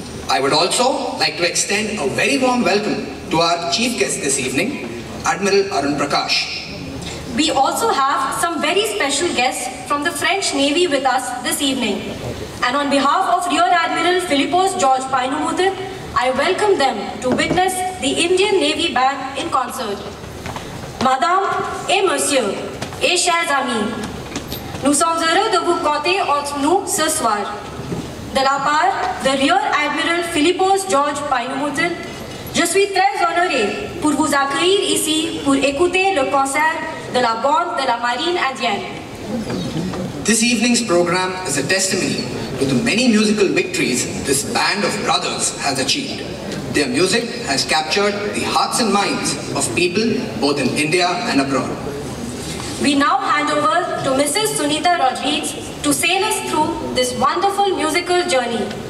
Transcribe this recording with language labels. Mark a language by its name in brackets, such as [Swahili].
[English] I would also like to extend a very warm welcome to our chief guest this evening, Admiral Arun Prakash. We also have some very special guests from the French Navy with us this evening. And on behalf of Rear Admiral Philippos George Painamuthan, I welcome them to witness the Indian Navy Band in concert. [French] Madame et Monsieur, et chers amis, nous sommes heureux de vous compter entre nous ce soir. De la part de Rear Admiral Philippos George Painamuthan, je suis très honoré pour vous accueillir ici pour écouter le concert de la bande de la Marine Indienne. [English] This evening's program is a testimony to the many musical victories this band of brothers has achieved. Their music has captured the hearts and minds of people both in India and abroad. We now hand over to Mrs. Sunita Rodriguez to sail us through this wonderful musical journey.